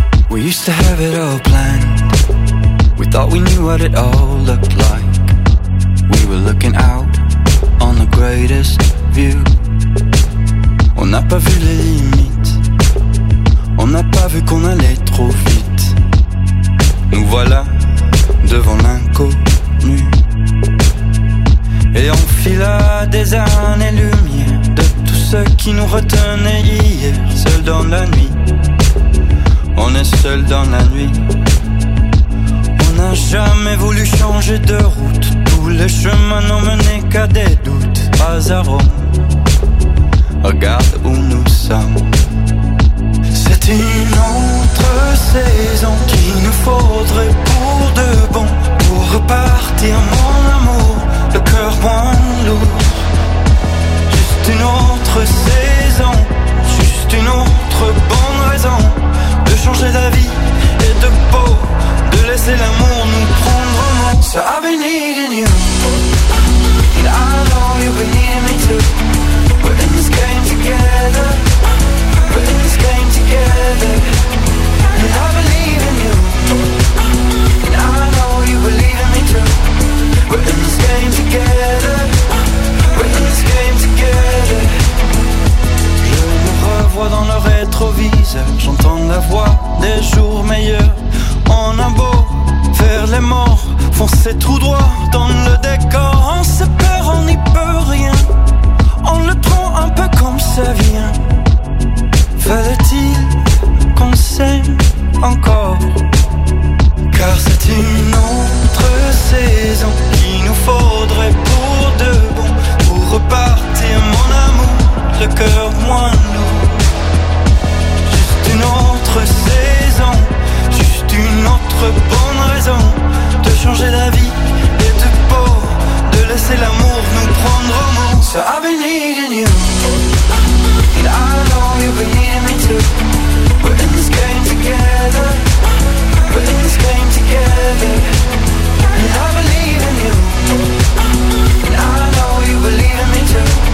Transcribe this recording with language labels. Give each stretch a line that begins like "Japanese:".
English: We used to have it all planned. We thought we knew what it all looked like. We were looking out on the greatest view.
French: On n'a pas vu les limites. On n'a pas vu qu'on allait trop vite. Nous voilà devant l'inconnu. Et on fila des années-lumière de tout ce qui nous retenait hier. Seul dans la nuit, on est seul dans la nuit. On n'a jamais voulu changer de route. Tous les chemins n'ont mené qu'à des doutes. Hasard, regarde où nous sommes. C'est une autre saison qu'il nous faudrait pour de bon. Pour repartir mon amour, le cœur moins lourd. Juste une autre saison, juste une autre bonne raison. De changer d'avis et de peau, de laisser l'amour nous prendre en main.
English: So I've been needing you, and I know you've been needing me too. We're in this game together, we're in this game together. And I believe in you, and I know you believe in me too. We're in this game together, we're in this game together.
French: Je vois dans le rétroviseur, j'entends la voix des jours meilleurs. On a beau faire les morts, foncer tout droit dans le décor. On se perd, on n'y peut rien. On le prend un peu comme ça vient. Fallait-il qu'on s'aime encore? Car c'est une autre saison qu'il nous faudrait pour de bon. Pour repartir mon amour, le cœur moins lourd. Juste une autre saison, juste une autre bonne raison. De changer d'avis et de peau, de laisser l'amour nous prendre au mot.
English: So I've been needing you, and I know you've been needing me too. We're in this game together, we're in this game together. And I believe in you, and I know you believe in me too.